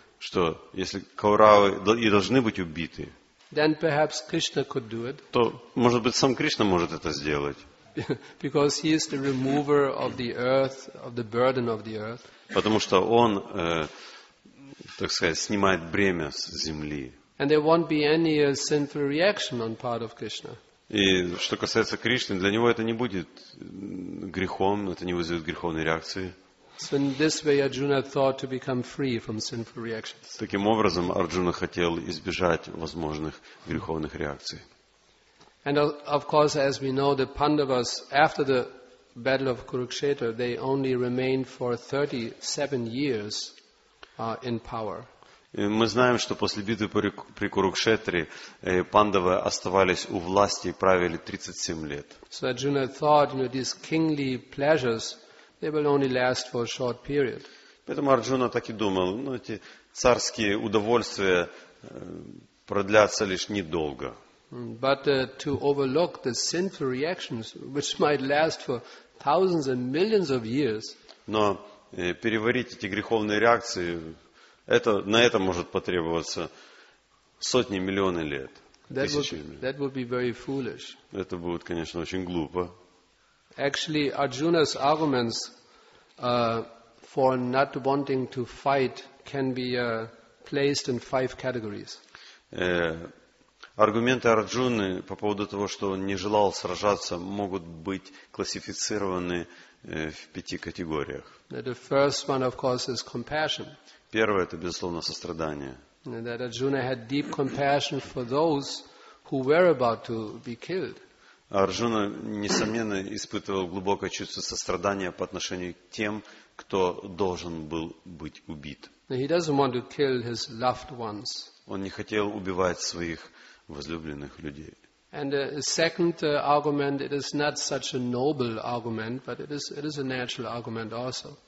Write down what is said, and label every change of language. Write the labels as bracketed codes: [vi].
[ru] Что, если Кауравы и должны быть убиты, [en] then perhaps Krishna could do it. [ru] То, может быть, сам Кришна может это сделать. Потому что Он, так сказать, снимает бремя с земли. [en] And there won't be any sinful reaction on part of Krishna. [ru] И что касается Кришны, для Него это не будет грехом, это не вызовет греховной реакции. [en] So in this way, Arjuna thought to become free from sinful reactions. [ru] Таким образом, Арджуна хотел избежать возможных греховных реакций. [en] And of course, as we know, the Pandavas after the battle of Kurukshetra, they only remained for 37 years in power. [ru] Мы знаем, что после битвы при Курукшетре Пандавы оставались у власти и правили 37 лет. [en] So Arjuna thought, you know, these kingly pleasures. They will only last for a short period. [ru] Поэтому Арджуна так и думал, ну эти царские удовольствия продлятся лишь недолго. [en] But to overlook the sinful reactions, which might last for thousands and millions of years. [ru] Но переварить эти греховные реакции, это на это может потребоваться сотни миллионы лет, тысячи лет. [en] That would be very foolish. [ru] Это будет, конечно, очень глупо. [en] Actually, Arjuna's arguments for not wanting to fight can be placed in five categories. [ru] Аргументы Арджуны по поводу того, что он не желал сражаться, могут быть классифицированы в пяти категориях. [en] The first one, of course, is compassion. [ru] Первое – это, безусловно, сострадание. [en] That Arjuna had deep compassion for those who were about to be killed. [ru] Арджуна, несомненно, испытывал глубокое чувство сострадания по отношению к тем, кто должен был быть убит. [en] He doesn't want to kill his loved ones. [ru] Он не хотел убивать своих возлюбленных людей. [en] And the second argument, it is not such a noble argument, but it is a natural argument also.